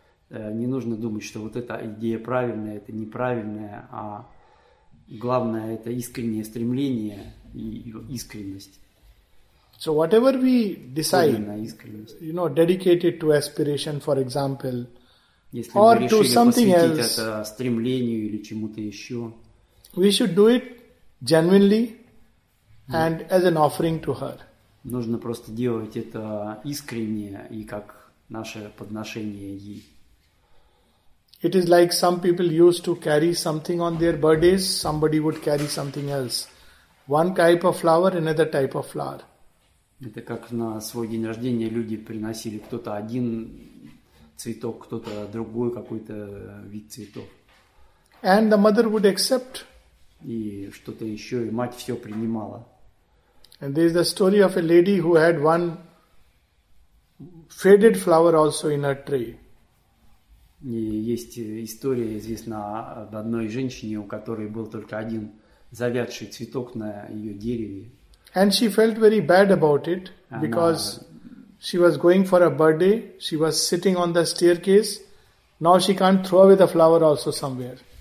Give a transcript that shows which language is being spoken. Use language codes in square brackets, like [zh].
[ru] Не нужно думать, что вот эта идея правильная, это неправильная, а главное это искреннее стремление и искренность. [en] So whatever we decide, [ru] искренность. [en] You know, dedicated to aspiration, for example, [ru] если or мы решили посвятить это стремлению или чему-то еще. [en] We should do it genuinely and as an offering to her. [ru] Нужно просто делать это искренне и как наше подношение ей. [en] It is like some people used to carry something on their birthdays, somebody would carry something else. One type of flower, another type of flower. [ru] Это как на свой день рождения люди приносили кто-то один цветок, кто-то другой какой-то вид цветов. [en] And the mother would accept. [ru] И что-то еще, и мать все принимала. [en] And there is the story of a lady who had one faded flower also in her tray. [ru] И есть история известна об одной женщине, у которой был только один завядший цветок на ее дереве. [en] And she felt very bad about it, because she was going for a birthday, she was sitting on the staircase, now she can't throw away the flower also somewhere.